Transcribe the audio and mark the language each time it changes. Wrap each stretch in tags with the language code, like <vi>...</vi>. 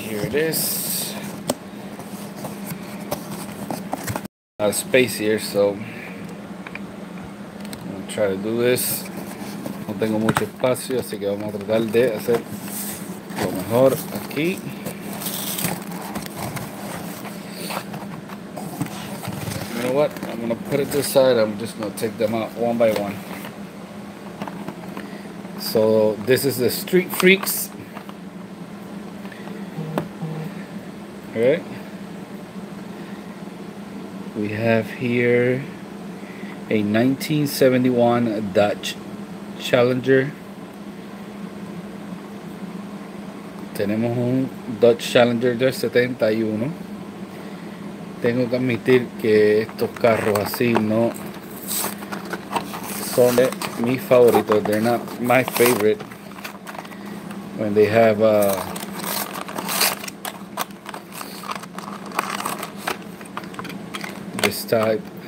<en>This out of space here, so I'm gonna try to do this.</en> <es>No tengo mucho espacio, así que vamos a tratar de hacer lo mejor aquí.</es> <en>You know what? I'm gonna put it to the side. I'm just gonna take them out one by one. So this is the Street Freaks. Alright, we have here a 1971 Dodge Challenger.</en> <es>Tenemos un Dodge Challenger del 71. Tengo que admitir que estos carros así no son de mis favoritos.</es> <en>They're not my favorite when they have a type.</en>